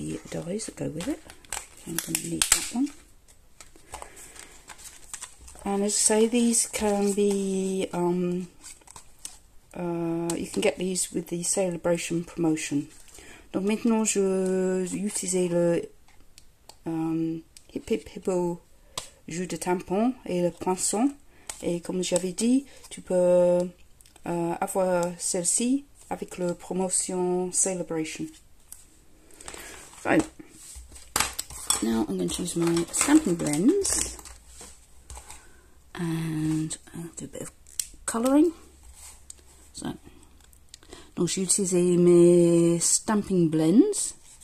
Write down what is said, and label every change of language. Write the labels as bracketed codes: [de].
[en] Dies that go with it. I'm going to need that one. And as I say, these can be you can get these with the celebration promotion. [fr] Donc maintenant, je vais utiliser le hip hip hippo jus de tampon et le poinçon. Et comme j'avais dit, tu peux avoir celle-ci avec le promotion celebration. [en] Right. Now I'm going to use my stamping blends and do a bit of colouring. So [fr] Donc j'ai utilisé mes stamping blends.